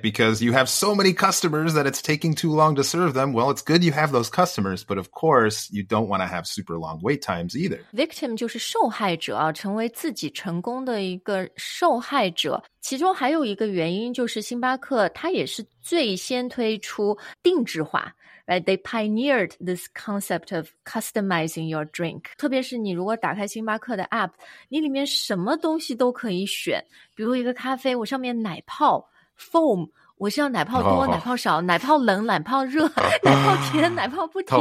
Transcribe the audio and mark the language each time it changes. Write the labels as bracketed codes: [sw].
[en] Because you have so many customers that it's taking too long to serve them. Well, it's good you have those customers, but of course, you don't want to have super long wait times either. [zh] Victim 就是受害者啊，成为自己成功的一个受害者。其中还有一个原因就是星巴克它也是最先推出定制化。 [en] Right, they pioneered this concept of customizing your drink. [zh] 特别是你如果打开星巴克的 app, 你里面什么东西都可以选。比如一个咖啡，我上面奶泡 foam, 我是要奶泡多、奶泡少，奶泡冷、奶泡热、奶泡甜、奶泡不甜。